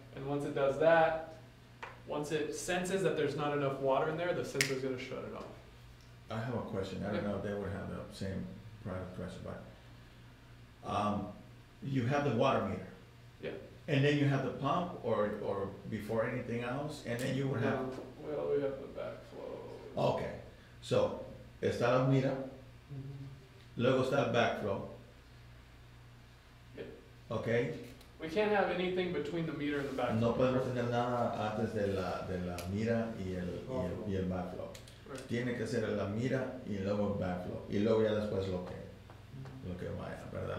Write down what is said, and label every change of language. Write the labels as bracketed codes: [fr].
[en] And once it does that, once it senses that there's not enough water in there, the sensor's gonna shut it off. I have a question. I don't know if they would have the same product question, but you have the water meter. Yeah. And then you have the pump or before anything else, and then you would have... Well, we have the backflow. Okay. [es] So, está la mira, luego está el backflow. [en] Okay? We can't have anything between the meter and the backflow. [es] No podemos tener nada antes de la mira y el backflow. [en] Right. [es] Tiene que ser la mira y luego el backflow. Y luego ya después lo que vaya, ¿verdad?